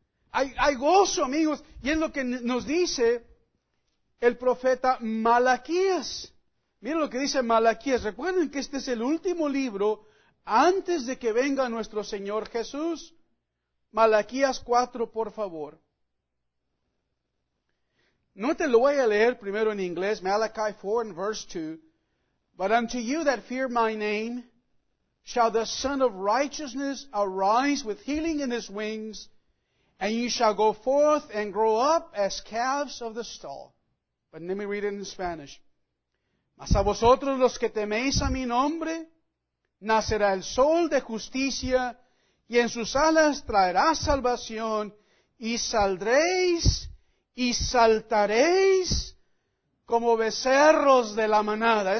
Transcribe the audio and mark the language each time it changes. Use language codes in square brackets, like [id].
[es] Hay gozo, amigos. Y es lo que nos dice el profeta Malaquías. Miren lo que dice Malaquías. Recuerden que este es el último libro antes de que venga nuestro Señor Jesús. Malaquías 4, por favor. No te lo voy a leer primero en inglés. [en] Malachi 4 and verse 2. But unto you that fear my name, shall the Son of Righteousness arise with healing in his wings, and you shall go forth and grow up as calves of the stall. But let me read it in Spanish. [es] Mas a vosotros los que teméis a mi nombre, nacerá el sol de justicia, y en sus alas traerá salvación, y saldréis y saltaréis como becerros de la manada.